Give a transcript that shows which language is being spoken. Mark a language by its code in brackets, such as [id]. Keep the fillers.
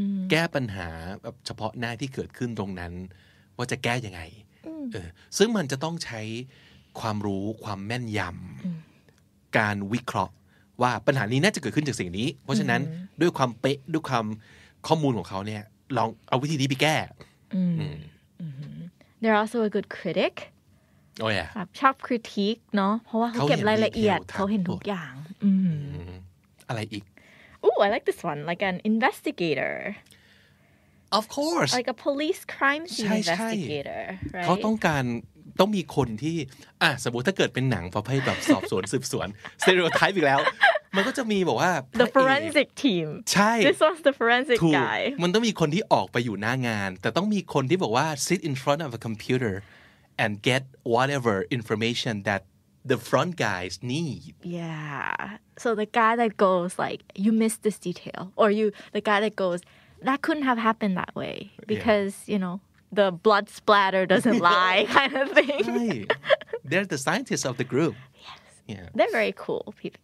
[th] แก้ปัญหาแบบเฉพาะหน้าที่เกิดขึ้นตรงนั้น ว่าจะแก้ยังไงเออซึ่งมันจะต้องใช้ความรู้ความแม่นยำการวิเคราะห์ ว่าปัญหานี้น่าจะเกิดขึ้นจากสิ่งนี้ เพราะฉะนั้นด้วยความเป๊ะด้วยความข้อมูลของเขาเนี่ยลองเอาวิธีนี้ไปแก้ [en] They're also a good critic oh yeah. [th] ชอบคริติกเนาะเพราะว่าเขาเก็บรายละเอียดเขาเห็นทุกอย่างอะไรอีก [en] Oh, I like this one. Like an investigator. Of course. Like a police crime scene investigator. [th] เขาต้อง การต้องมีคนที่อ่ะสมมุติถ้าเกิดเป็นหนังประเภทแบบสอบสวนสืบสวนสเตอริโอไทป์อีกแล้วมันก็จะมีบอกว่า [en] the forensic team [th] ใช่ [en] this was the forensic guy [th] มันต้องมีคนที่ออกไปอยู่หน้างาน แต่ต้องมีคนที่บอกว่า [en] sit in front of a computer and get whatever information that the front guys need yeah so the guy that goes like you missed this detail or you the guy that goes that couldn't have happened that way because yeah. you know the blood splatter doesn't lie kind of thing right. they're the scientists of the group yes yeah they're very cool people